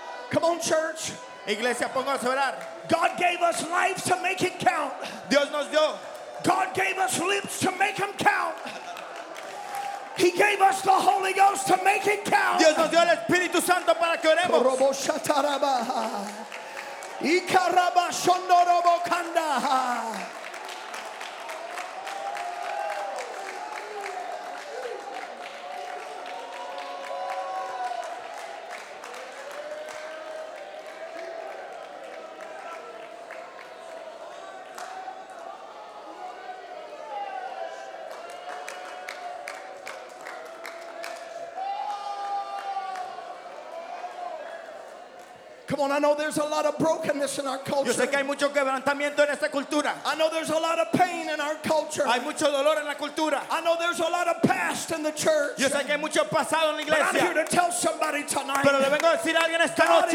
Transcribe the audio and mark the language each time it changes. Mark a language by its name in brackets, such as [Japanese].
[English] Come on, church. [Spanish] Iglesia, póngase a orar. [English] God gave us life to make it count. [Spanish] Dios nos dio. [English] God gave us lips to make them count. He gave us the Holy Ghost to make it count. [Spanish] Dios nos dio el Espíritu Santo para que oremos. Robo shataraba. Ikaraba shondorobo kanda. [English] Come on, I know there's a lot of brokenness in our culture. [Spanish] Yo sé que hay mucho quebrantamiento en esta cultura. [English] I know there's a lot of pain in our culture. [Spanish] Hay mucho dolor en la cultura. [English] I know there's a lot of past in the church. [Spanish] Yo sé que hay mucho pasado en la iglesia. [English] But I'm here to tell somebody tonight. [Spanish] Pero le vengo a decir a alguien esta noche.